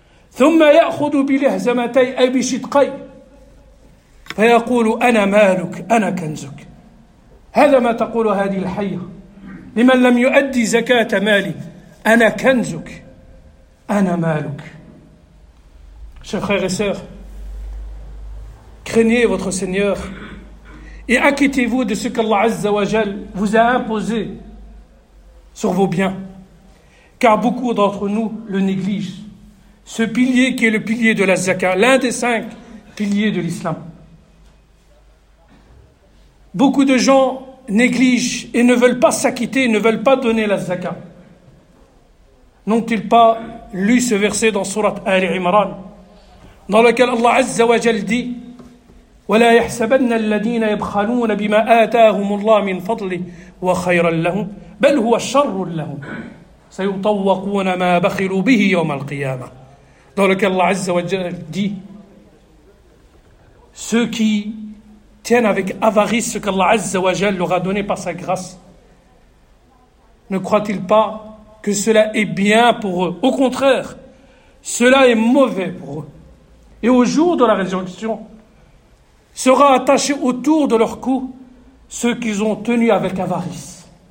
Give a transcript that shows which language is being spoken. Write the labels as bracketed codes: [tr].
[ar] ثم يأخذ بلهزمتي، أي بشدقي، فيقول: أنا مالك، أنا كنزك. هذا ما تقول هذه الحية لمن لم يؤدي زكاة مالي: أنا كنزك، أنا مالك. [fr] Chers frères et sœurs, craignez votre Seigneur et acquittez-vous de ce qu'Allah Azza wa Jal vous a imposé sur vos biens, car beaucoup d'entre nous le négligent. ce pilier qui est le pilier de la zaka, l'un des cinq piliers de l'islam. Beaucoup de gens négligent et ne veulent pas s'acquitter, ne veulent pas donner la zaka. N'ont-ils pas lu ce verset dans surat Ali Imran, dans lequel Allah Azza wa Jal dit [ar] وَلَا يَحْسَبَنَّ الَّذِينَ يَبْخَلُونَ بِمَا آتَاهُمُ اللَّهُ مِنْ فَضْلِهِ وَخَيْرًا لَهُمْ بَلْ هُوَ الشَّرُّ لَهُمْ سَيُطَوَّقُونَ مَا بَخِلُوا بِهِ يَوْمَ الْقِيَامَةِ. [fr] Dans lequel Allah Azza wa Jal dit, ceux qui tiennent avec avarice ce qu'Allah Azza wa Jal leur a donné par sa grâce, ne croient-ils pas que cela est bien pour eux? Au contraire, cela est mauvais pour eux. Et au jour de la résurrection, sera attaché autour de leur cou ceux qu'ils ont tenus avec avarice.